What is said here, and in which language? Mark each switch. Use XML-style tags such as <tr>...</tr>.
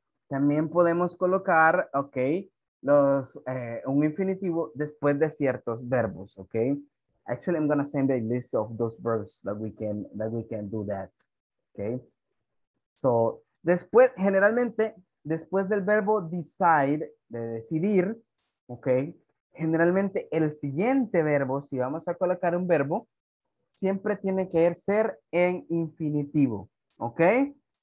<es>También podemos colocar, okay, los un infinitivo después de ciertos verbos, okay?</es> <en>Actually, I'm gonna send a list of those verbs that we can do that, okay?</en> <es>So, después, generalmente, después del verbo decide, de decidir, okay? Generalmente, el siguiente verbo, si vamos a colocar un verbo, siempre tiene que ser en infinitivo, okay?</es>